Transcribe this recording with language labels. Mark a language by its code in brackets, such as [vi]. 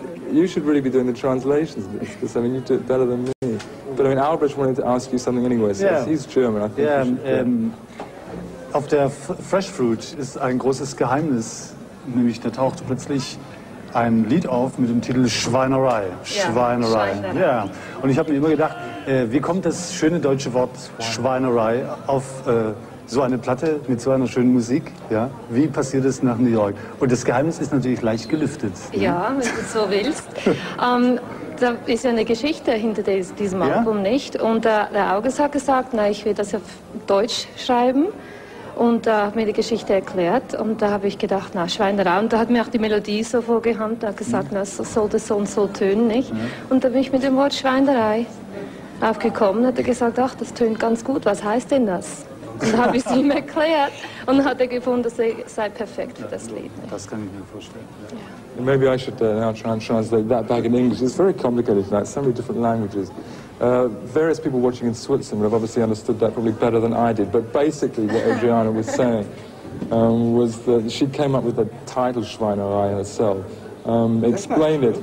[en] You should really be doing the translations, because I mean, you do it better than me. But I mean, Albrecht wanted to ask you something anyway, so he's German, I think. [de] Yeah, auf der Fresh Fruit ist ein großes Geheimnis, nämlich da taucht plötzlich ein Lied auf mit dem Titel Schweinerei. Schweinerei. Ja. Yeah. Und ich habe mir immer gedacht, wie kommt das schöne deutsche Wort Schweinerei auf so eine Platte mit so einer schönen Musik? Ja. Wie passiert es nach New York? Und das Geheimnis ist natürlich leicht gelüftet. Ja, wenn du so willst. Da ist ja eine Geschichte hinter diesem Album, nicht? Und der August hat gesagt, na, ich will das auf Deutsch schreiben. Und da hat mir die Geschichte erklärt und da habe ich gedacht, na, Schweinerei. Und da hat mir auch die Melodie so vorgehabt, da hat gesagt, na, so soll das so und so tönen, nicht? Und da bin ich mit dem Wort Schweinerei aufgekommen, hat er gesagt, ach, das tönt ganz gut, was heißt denn das? Und da habe ich es ihm erklärt und hat er gefunden, das sei perfekt für das Lied. Nicht? Das kann ich mir vorstellen. [en] Yeah. Maybe I should now try and translate that back in English. It's very complicated, like so many different languages. Various people watching in Switzerland have obviously understood that probably better than I did, but basically what Adriana was saying was that she came up with the title Schweinerei herself. Explain it.